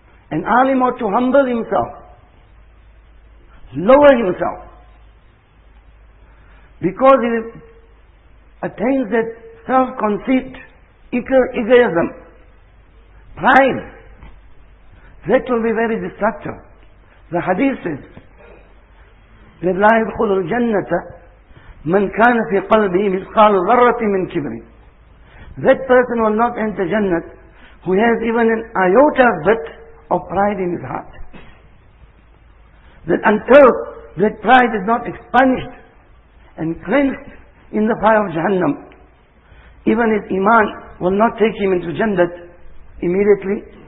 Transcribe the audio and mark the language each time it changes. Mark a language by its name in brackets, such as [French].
[English] An alim ought to humble himself, lower himself, because he attains that self-conceit, egoism, pride, that will be very destructive. The hadith says, [Arabic] لَا يَدْخُلُ الْجَنَّةَ مَنْ كَانَ فِي قَلْبِهِ مِثْقَالُ ذَرَّةٍ مِنْ كِبْرٍ. [English] That person will not enter Jannah who has even an iota bit of pride in his heart. That until that pride is not expunged and cleansed in the fire of Jahannam, even his iman will not take him into Jannah immediately.